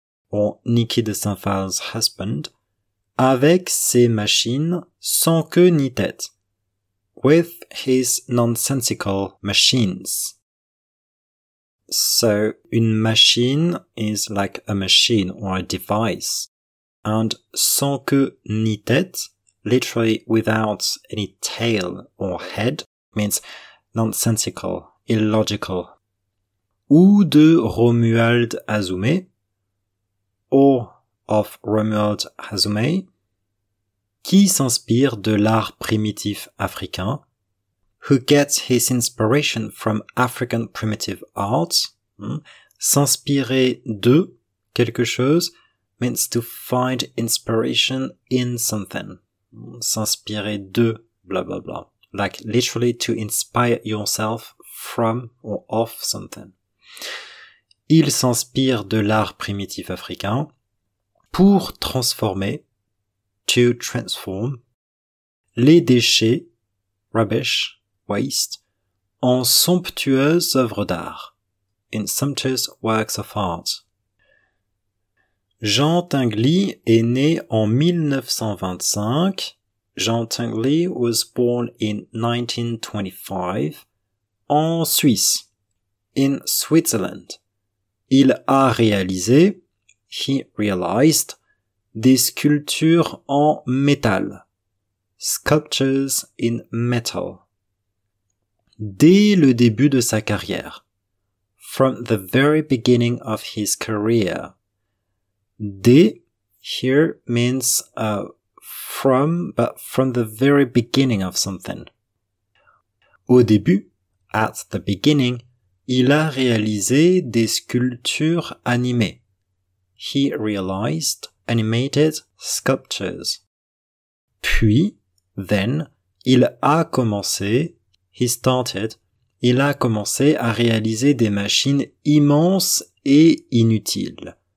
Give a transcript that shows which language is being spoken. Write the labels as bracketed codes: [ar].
[en] or Niki de Saint-Phalle's husband, [fr] avec ses machines sans queue ni tête, [en] with his nonsensical machines. So, [fr] une machine [en] is like a machine or a device, and [fr] sans queue ni tête, [en] literally without any tail or head, means nonsensical, illogical. [fr] Ou de Romuald Azoumay, [en] or of Romuald Azoumay, [fr] qui s'inspire de l'art primitif africain, [en] who gets his inspiration from African primitive art, [fr] s'inspirer de quelque chose [en] means to find inspiration in something, [fr] s'inspirer de [en] blah blah blah, like literally to inspire yourself from or of something. [fr] Il s'inspire de l'art primitif africain pour transformer, [en] to transform, [fr] les déchets, [en] rubbish, waste, [fr] en somptueuses œuvres d'art, [en] in sumptuous works of art. [fr] Jean Tingley est né en 1925. [en] Jean Tingley was born in 1925, [fr] en Suisse, [en] in Switzerland. [fr] Il a réalisé, [en] he realized, [fr] des sculptures en métal, [en] sculptures in metal. [fr] Dès le début de sa carrière, [en] from the very beginning of his career, dès, here means from, but from the very beginning of something. [fr] Au début, [en] at the beginning, [fr] il a réalisé des sculptures animées. [en] He realized animated sculptures. [fr] Puis, [en] then, [fr] il a commencé, [en] he started, [fr] il a commencé à réaliser des machines immenses et inutiles.